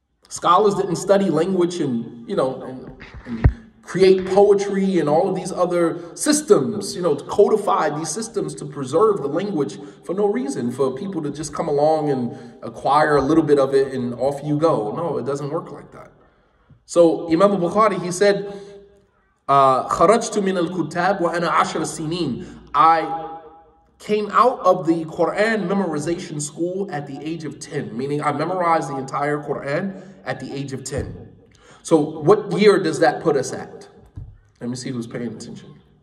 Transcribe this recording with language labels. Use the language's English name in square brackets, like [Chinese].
[English] Scholars didn't study language and, you know, and create poetry and all of these other systems, you know, to codify these systems to preserve the language for no reason, for people to just come along and acquire a little bit of it and off you go. No, it doesn't work like that. So Imam Bukhari, he said, [Arabic] خَرَجْتُ مِنَ الْكُتَابِ وَأَنَا عَشْرَ سِنِينَ. [English] I came out of the Quran memorization school at the age of 10, meaning I memorized the entire Quran at the age of 10. So what year does that put us at? Let me see who's paying attention.